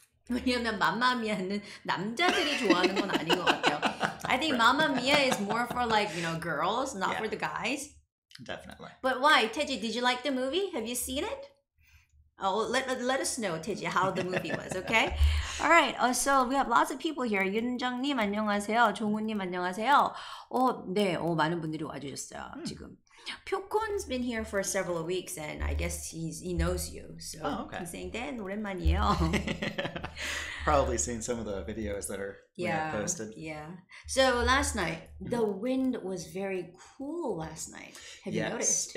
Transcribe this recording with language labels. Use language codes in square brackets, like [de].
[ko] 왜냐면 Mamma Mia는 남자들이 좋아하는 건 아닌 것 같아요. [en] I think Mamma Mia is more for girls, not for the guys. Definitely. But why? Teji, did you like the movie? Have you seen it? Let us know, Teji, how the movie was, okay? All right, so we have lots of people here. [ko] 윤정님, 안녕하세요. 종우님, 안녕하세요. 많은 분들이 와주셨어요, 지금. [en] Pyokun's been here for several weeks, and I guess he knows you. So he's saying, Dan, [ko] 오랜만이에요. [en] Probably seen some of the videos that are posted. Yeah. So last night, the wind was very cool last night. Have you noticed?